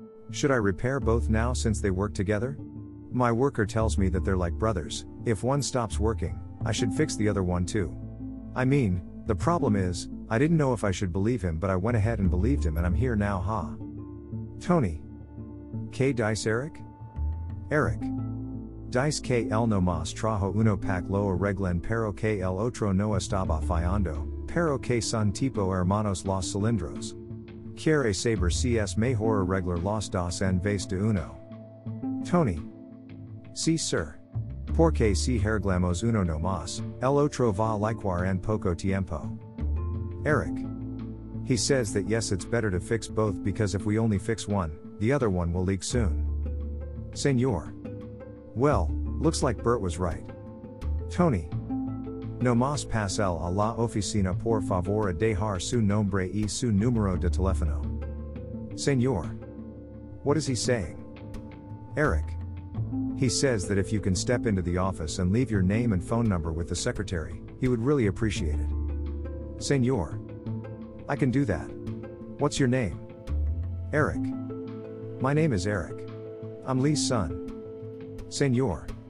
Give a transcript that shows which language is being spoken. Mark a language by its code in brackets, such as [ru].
[en] Should I repair both now since they work together? My worker tells me that they're like brothers, if one stops working, I should fix the other one too. I mean, the problem is, I didn't know if I should believe him, but I went ahead and believed him and I'm here now, ha. [es] Tony. K dice Eric? Eric. Dice que él no más trajo uno pack lo arreglen pero que el otro no estaba fallando, pero que son tipo hermanos los cilindros. Quiere saber si es mejor arreglar los dos en vez de uno. Tony. Si sir. Porque si arreglamos uno no más, el otro va likewar en poco tiempo. Eric. [en] He says that yes, it's better to fix both because if we only fix one, the other one will leak soon. Señor. Well, looks like Bert was right. Tony. [es] No más pasel a la oficina por favor a dejar su nombre y su número de teléfono. [en] Señor. What is he saying? Eric. He says that if you can step into the office and leave your name and phone number with the secretary, he would really appreciate it. Señor. I can do that. What's your name? Eric. My name is Eric. I'm Lee's son. Señor.